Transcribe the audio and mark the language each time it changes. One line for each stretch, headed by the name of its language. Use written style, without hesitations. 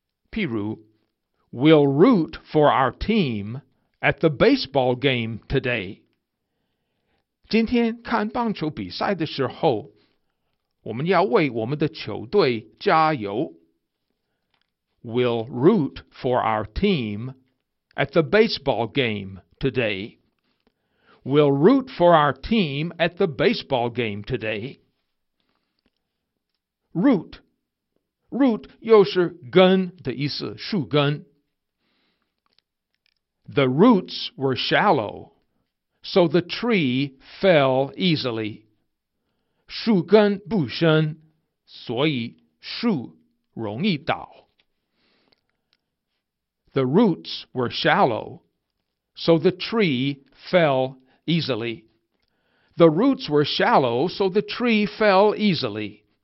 English: 譬如，We'll root for our team at the baseball game today。
Chinese: 今天看棒球比赛的时候，我们要为我们的球队加油。
English: We'll root for our team at the baseball game today. We'll root for our team at the baseball game today.
Chinese: Root 又是根的意思，树根。
English: The roots were shallow, so the tree fell easily.
Chinese: 树根不深，所以树容易倒。
English: The roots were shallow, so the tree fell easily. The roots were shallow, so the tree fell easily.